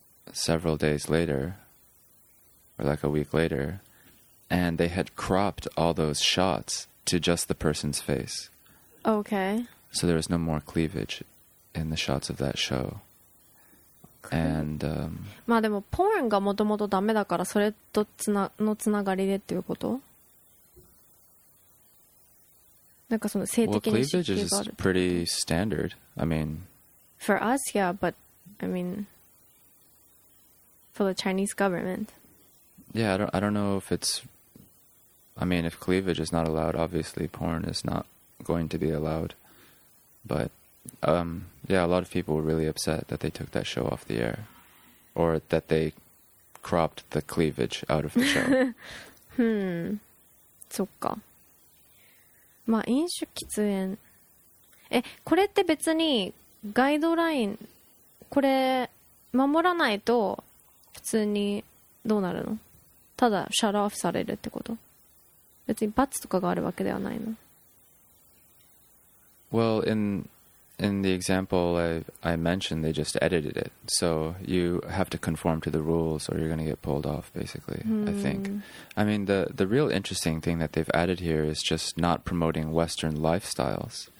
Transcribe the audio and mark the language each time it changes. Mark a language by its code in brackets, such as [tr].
[en] several days later, or like a week later, and they had cropped all those shots to just the person's face. Okay. So there was no more cleavage in the shots of that show. And, [ja] まあでもポーンがもともとダメだからそれとつながりでっていうこと？なんかその性的に刺激がある。 [en] Well, cleavage is pretty standard. I mean, for us, yeah, but I mean, for the Chinese government. Yeah, I don't know if it's. I mean, if cleavage is not allowed, obviously porn is not going to be allowed. But. Yeah, a lot of people were really upset that they took that show off the air, or that they cropped the cleavage out of the show. [ja] そっか。まあ飲酒喫煙。え、これって別にガイドライン、これ守らないと普通にどうなるの？ただシャットオフされるってこと？別に罰とかがあるわけではないの？ [en] Well, In the example I mentioned, they just edited it. So you have to conform to the rules or you're going to get pulled off, basically, I think. I mean, the real interesting thing that they've added here is just not promoting Western lifestyles.